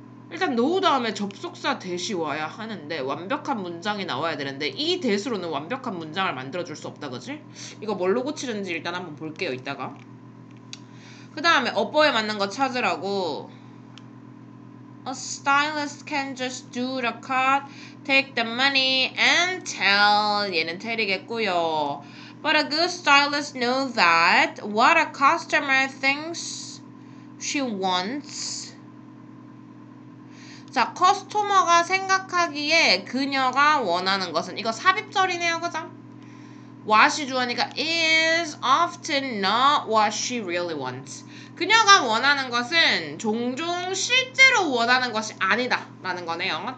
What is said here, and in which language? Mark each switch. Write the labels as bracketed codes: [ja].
[ko] 일단 노우 다음에 접속사 대시 와야 하는데 완벽한 문장이 나와야 되는데 이 대수로는 완벽한 문장을 만들어줄 수 없다, 그지? 이거 뭘로 고치는지 일단 한번 볼게요, 이따가. 그 다음에 어퍼에 맞는 거 찾으라고. [en] A stylist can just do the cut, take the money and tell. [ko] 얘는 tell이겠고요. [en] But a good stylist knows that what a customer thinks she wants. [ko] 자, 커스터머가 생각하기에 그녀가 원하는 것은, 이거 삽입절이네요, 그죠? [en] What이 [ko] 주어니까 [en] is often not what she really wants. [ko] 그녀가 원하는 것은 종종 실제로 원하는 것이 아니다 라는 거네요.